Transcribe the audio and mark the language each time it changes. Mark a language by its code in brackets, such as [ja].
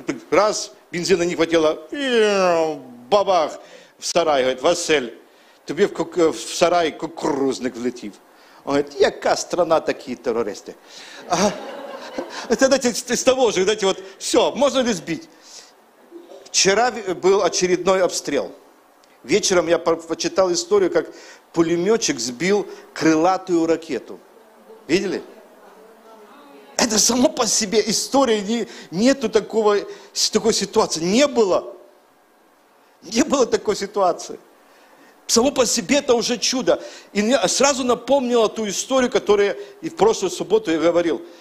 [ru] Раз, бензина не хватило, бабах, в сарай, говорит, Василь. [uk] Тобі в сарай кукурузник влетів. [ru] Он говорит, [uk] яка страна такі терористи. Це, знаєте, з того ж, знаєте, от, все, можна не збити. Вчора був очередной обстріл. Вечером я прочитав історію, як пулеметчик збив крилатую ракету. [ru] Видели? Это само по себе история. Нету такого, такой ситуации. Не было. Не было такой ситуации. Само по себе это уже чудо. И меня сразу напомнило ту историю, которую и в прошлую субботу я говорил.